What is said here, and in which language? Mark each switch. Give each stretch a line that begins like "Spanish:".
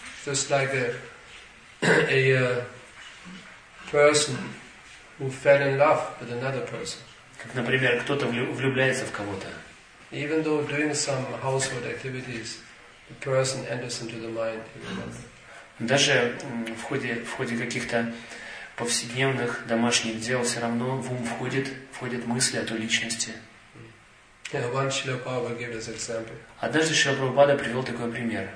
English: Just like a person. Who fell in love with another person?
Russian: Как, например, кто-то влюбляется в кого-то.
English: Even though doing some household activities, the person enters into the mind.
Russian: Даже в ходе каких-то повседневных домашних дел все равно в ум входит мысли о той личности.
English: One Srila Prabhupada gave this example.
Russian: Однажды Шрила Прабхупада привел такой пример.